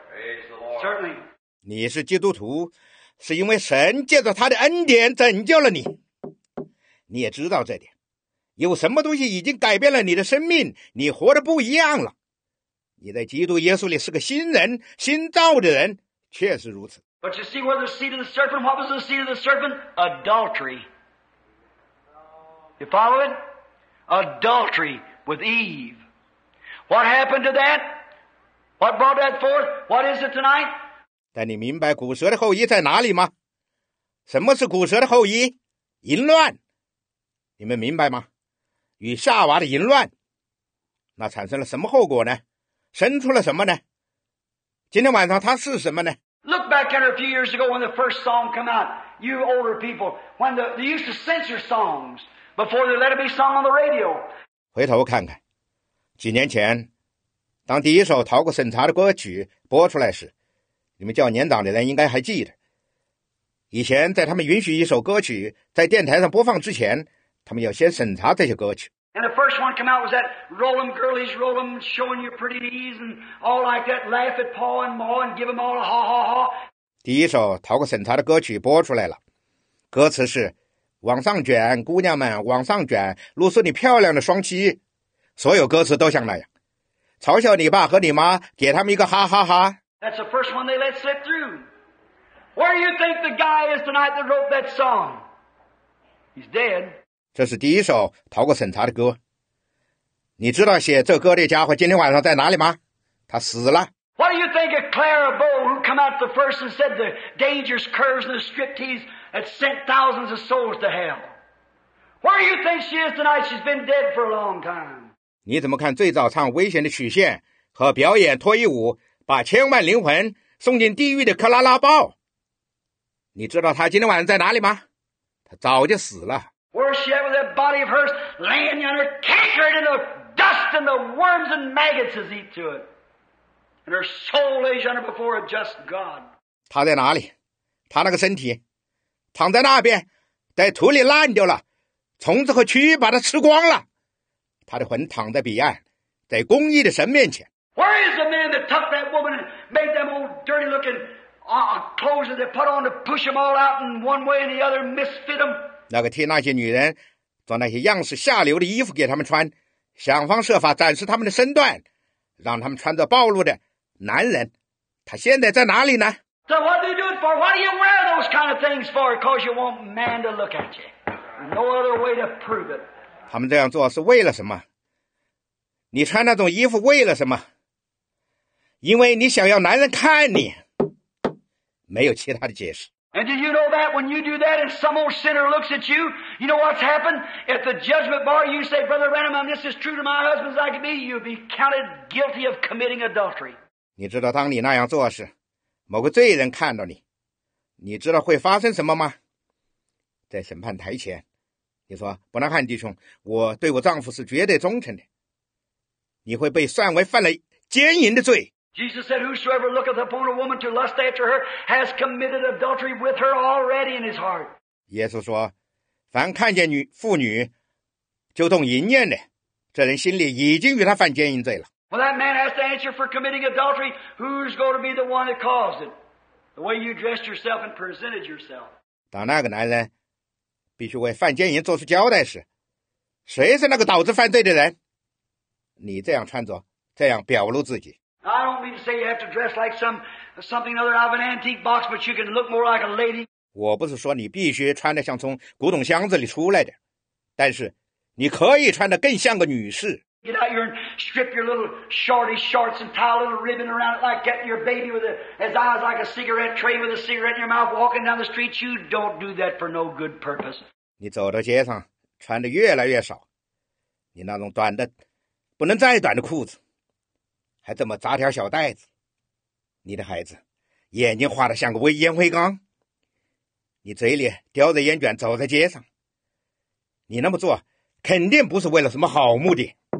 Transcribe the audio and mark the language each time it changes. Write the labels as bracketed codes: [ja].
[en] Praise the Lord. Certainly. [zh] 你是基督徒，是因为神借着他的恩典拯救了你。你也知道这点。有什么东西已经改变了你的生命？你活得不一样了。你在基督耶稣里是个新人，新造的人，确实如此。 [en] But you see where the seed of the serpent, what was the seed of the serpent? Adultery. You follow it? Adultery with Eve. What happened to that? What brought that forth? What is it tonight? [zh] 但你明白骨蛇的后裔在哪里吗？什么是骨蛇的后裔？淫乱。你们明白吗？与夏娃的淫乱，那产生了什么后果呢？生出了什么呢？今天晚上它是什么呢？ [en] Look back at a few years ago when the first song came out, you older people, when they used to censor songs before they let it be sung on the radio. [zh] 回头看看，几年前，当第一首逃过审查的歌曲播出来时，你们较年长的人应该还记得，以前在他们允许一首歌曲在电台上播放之前，他们要先审查这些歌曲。 [en] And the first one come out was that roll 'em girlies, roll 'em, showing your pretty knees and all like that, laugh at Pa and Ma and give 'em all a ha ha ha. [zh] 第一首逃过审查的歌曲播出来了，歌词是：往上卷，姑娘们，往上卷，露出你漂亮的双膝。所有歌词都像那样，嘲笑你爸和你妈，给他们一个哈哈哈。 [en] That's the first one they let slip through. Where do you think the guy is tonight that wrote that song? He's dead. [zh] 这是第一首逃过审查的歌。你知道写这歌的家伙今天晚上在哪里吗？他死了。 [en] What do you think of Clara Bow who come out the first and said the dangerous curves and the striptease that sent thousands of souls to hell? Where do you think she is tonight? She's been dead for a long time. [zh] 你怎么看最早唱危险的曲线和表演脱衣舞把千万灵魂送进地狱的克拉拉鲍？你知道他今天晚上在哪里吗？他早就死了。 [en] Where is she at with that body of hers laying under cankered in the dust and the worms and maggots has eat to it? And her soul lays under before a just God. [zh] 他在哪里？他那个身体躺在那边，在土里烂掉了，虫子和蛆把它吃光了。他的魂躺在彼岸，在公义的神面前。 [en] Where is the man that took that woman and made them old dirty looking clothes that they put on to push them all out in one way and the other misfit them? [zh] 那个替那些女人做那些样式下流的衣服给他们穿，想方设法展示他们的身段，让他们穿着暴露的男人，他现在在哪里呢？ [en] So what do you do it for? Why do you wear those kind of things for? Because you want man to look at you. No other way to prove it. [zh] 他们这样做是为了什么？你穿那种衣服为了什么？因为你想要男人看你，没有其他的解释。 [en] And did you know that when you do that and some old sinner looks at you, you know what's happened? At the judgment bar, you say, Brother Branham, I'm just as true to my husband as I can be, you'll be counted guilty of committing adultery. [zh] 你知道当你那样做时，某个罪人看到你，你知道会发生什么吗？在审判台前你说，伯纳汉弟兄，我对我丈夫是绝对忠诚的。你会被算为犯了奸淫的罪。 [en] Jesus said, "Whosoever looketh upon a woman to lust after her has committed adultery with her already in his heart." [zh] 耶稣说，凡看见妇女就动淫念的，这人心里已经与他犯奸淫罪了。 [en] Well, that man has to answer for committing adultery. Who's going to be the one that caused it? The way you dressed yourself and presented yourself. [zh] 当那个男人必须为犯奸淫做出交代时，谁是那个导致犯罪的人？你这样穿着，这样表露自己。 [en] I don't mean to say you have to dress like something other out of an antique box, but you can look more like a lady. [zh] 我不是说你必须穿得像从古董箱子里出来的，但是你可以穿得更像个女士。 [en] Get out your and strip your little shorty shorts and tie a little ribbon around it like getting your baby with his eyes like a cigarette tray with a cigarette in your mouth walking down the street. You don't do that for no good purpose. [zh] 你走到街上穿得越来越少，你那种短的不能再短的裤子还这么扎条小带子，你的孩子眼睛画得像个烟灰缸，你嘴里叼着烟卷走在街上，你那么做肯定不是为了什么好目的。